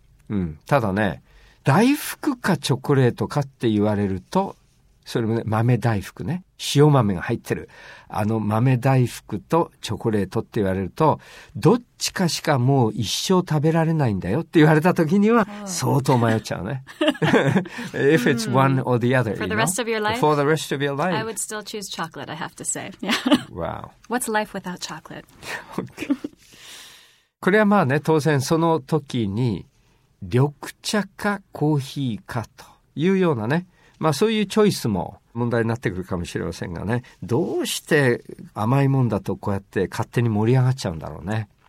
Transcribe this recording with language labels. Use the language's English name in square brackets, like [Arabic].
[Japanese] うん、ただね、大福かチョコレートかって言われると、それもね、豆大福ね、塩豆が入ってるあの豆大福とチョコレートって言われると、どっちかしかもう一生食べられないんだよって言われた時には相当迷っちゃうね。 [English] If it's one or the other, for the rest of your life, for the rest of your life, I would still choose chocolate, I have to say. Wow. What's life without chocolate? [Japanese] これはまあね、当然その時に緑茶かコーヒーかというようなね、まあそういうチョイスも問題になってくるかもしれませんがね、どうして甘いもんだとこうやって勝手に盛り上がっちゃうんだろうね。